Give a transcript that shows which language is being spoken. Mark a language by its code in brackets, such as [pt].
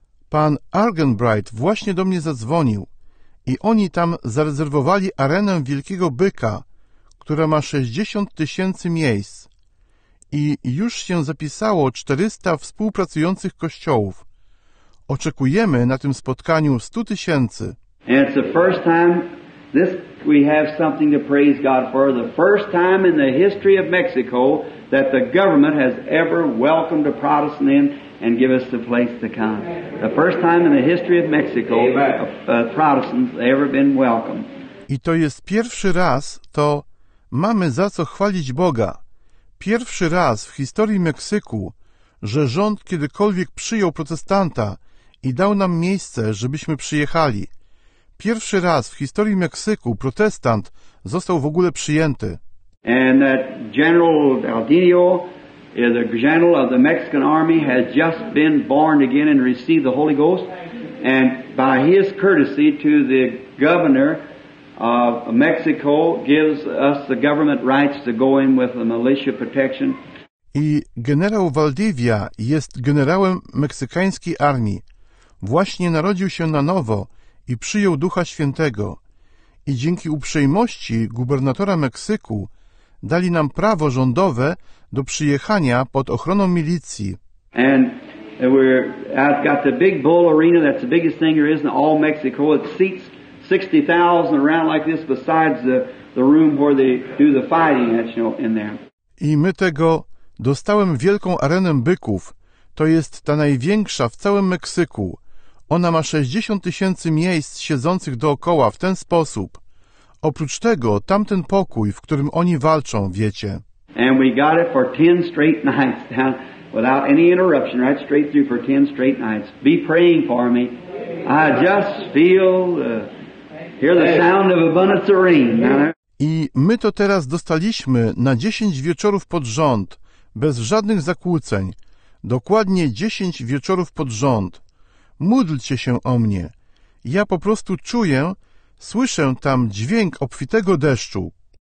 [pl] Pan Argon Wright właśnie do mnie zadzwonił i oni tam zarezerwowali arenę Wielkiego Byka, która ma 60 tysięcy miejsc i już się zapisało 400 współpracujących kościołów. Oczekujemy na tym spotkaniu 100 tysięcy. [en] And it's the first time this we have something to praise God for, the first time in the history of Mexico that the government has ever welcomed a Protestant in and give us the place to come. The first time in the history of Mexico Protestants have ever been welcome. [pl] I to jest pierwszy raz, to mamy za co chwalić Boga. Pierwszy raz w historii Meksyku, że rząd kiedykolwiek przyjął protestanta i dał nam miejsce, żebyśmy przyjechali. Pierwszy raz w historii Meksyku protestant został w ogóle przyjęty. [en] And that General Aldino, the general of the Mexican army, has just been born again and received the Holy Ghost. And by his courtesy to the governor of Mexico gives us the government rights to go in with the militia protection. [pl] I generał Valdivia jest generałem meksykańskiej armii. Właśnie narodził się na nowo i przyjął Ducha Świętego. I dzięki uprzejmości gubernatora Meksyku dali nam prawo rządowe do przyjechania pod ochroną milicji. [en] And I've got the big bull arena, that's the biggest thing there is in all Mexico. It seats 60,000 around like this besides the room where they do the fighting, that's, you know, in there. [pl] I my tego dostałem wielką arenę byków. To jest ta największa w całym Meksyku. Ona ma 60 tysięcy miejsc siedzących dookoła w ten sposób. Oprócz tego tamten pokój, w którym oni walczą, wiecie. [en] And we got it for 10 straight nights down without any interruption, right straight through for 10 straight nights. Be praying for me. I just feel hear the sound of abundance of rain. [pl] I my to teraz dostaliśmy na 10 wieczorów pod rząd, bez żadnych zakłóceń. Dokładnie 10 wieczorów pod rząd. Módlcie się o mnie. Ja po prostu czuję, słyszę tam dźwięk obfitego deszczu.